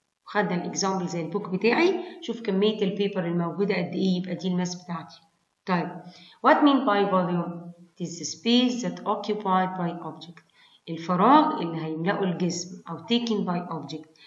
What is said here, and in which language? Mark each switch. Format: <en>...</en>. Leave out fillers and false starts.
<ar>خدنا الاكزامبل زي البوك بتاعي، شوف كمية البيبر الموجودة قد إيه، يبقى دي الماس بتاعتي.</ar> <en>طيب what mean by volume? It is the space that occupied by object.</en> <ar>الفراغ اللي هيملأه الجسم أو</ar> <en>taken by object.</en>